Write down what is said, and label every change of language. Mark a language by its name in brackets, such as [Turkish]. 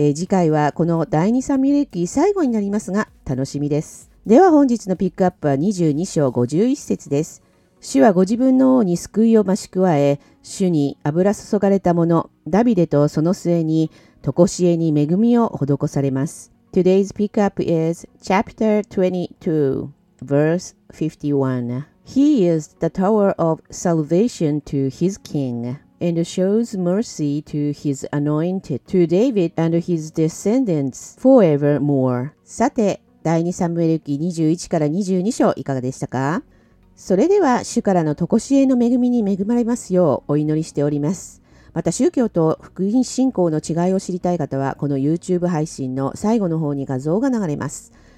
[Japanese] 次回はこの第2サミュエル記最後になりますが、楽しみです。では本日のピックアップは22章51節です。主はご自分の王に救いを増し加え、主に油注がれた者ダビデとその末に常しえに恵みを施されます。 [English] Today's pick up is chapter 22 verse 51. He is the tower of salvation to his king and shows mercy to his anointed, to David and his descendants forevermore. [Japanese] さて第2サムエル記21から22章いかがでしたか。それでは主からの常しえの恵みに恵まれますようお祈りしております。また宗教と福音信仰の違いを知りたい方は、この YouTube 配信の最後の方に画像が流れます。